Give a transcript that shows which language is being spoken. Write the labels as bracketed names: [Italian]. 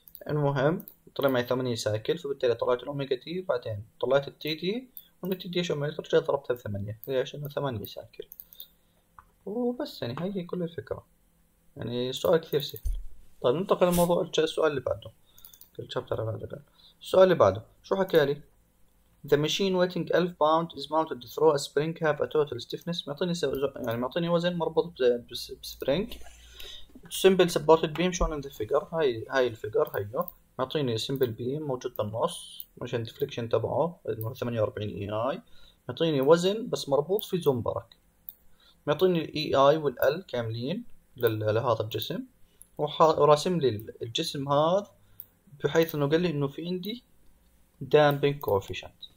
[Arabic] المهم طلع معي 8 سايكل، فبالتالي طلعت الأوميجا تي، بعدين طلعت التي دي، والتي دي شو عملت؟ رجعت ضربتها ب 8، ليش؟ لأنه 8 سايكل وبس. يعني هي كل الفكرة، يعني السؤال كثير سهل. طيب ننتقل لموضوع السؤال اللي بعده، الشابتر اللي بعده. السؤال اللي بعده شو حكى لي؟ [English] The machine weighing 1000 pounds is mounted to throw a spring have a total stiffness. [Arabic] معطيني يعني معطيني وزن مربوط بسبرينج. [English] Simple supported beam shown in the figure. [Arabic] هاي الفيجر هيو. معطيني simple beam موجود بالنص، مشان الدفليكشن تبعه 48 اي اي. معطيني وزن بس مربوط في زومبرك. معطيني الاي اي والال كاملين لهذا الجسم، وراسم لي الجسم هذا بحيث انه قال لي انه في عندي دامبنج كوفيشنت.